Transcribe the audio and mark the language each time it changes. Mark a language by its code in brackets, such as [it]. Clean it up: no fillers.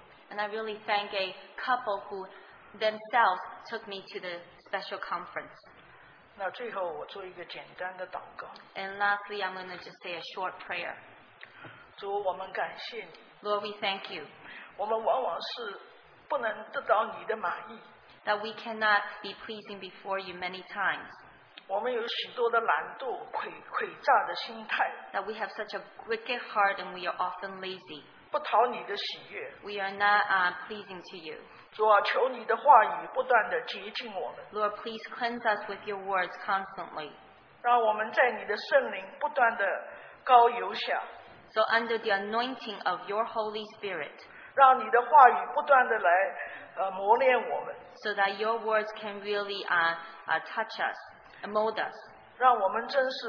[en] And I really thank a couple who themselves took me to the special conference. And lastly, I'm going to just say a short prayer. [zh] 主，我们感谢你。 [en] Lord, we thank you. [zh] 我们往往是不能得到你的满意。 [en] That we cannot be pleasing before you many times. [zh] 我们有许多的懒惰、诡诈的心态。 [en] That we have such a wicked heart and we are often lazy. [zh] 不讨你的喜悦。 [en] We are not pleasing to you. [zh] 主啊，求你的话语不断地洁净我们。 [en] Lord, please cleanse us with your words constantly. [zh] 让我们在你的圣灵不断地膏油下。 [en] So under the anointing of your Holy Spirit, [zh] 让你的话语不断地来, 磨练我们, [en] so that your words can really touch us, mold us.